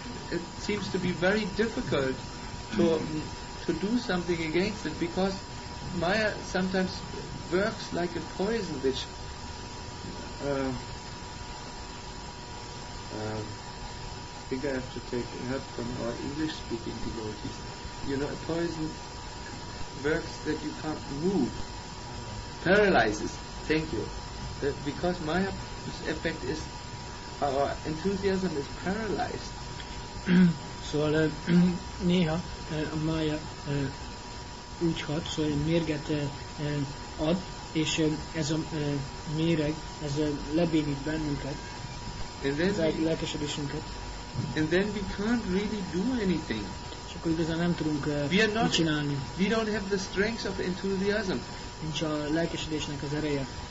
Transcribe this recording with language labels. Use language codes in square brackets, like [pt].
[en] It seems to be very difficult to do something against it, because Maya sometimes works like a poison, which I think I have to take help from our English-speaking devotees. You know, a poison works that you can't move, paralyzes. Thank you. Because Maya's effect is, our enthusiasm is paralyzed. [hu] Szóval néha a Maya úgy hat, szóval mérget ad, és ez a méreg, ez lebénít bennünket, lelkesedésünket. [en] And then we can't really do anything. [hu] És akkor igazán nem tudunk mit csinálni. [en] We don't have the strength of enthusiasm. [hu] Nincs a lelkesedésnek az ereje.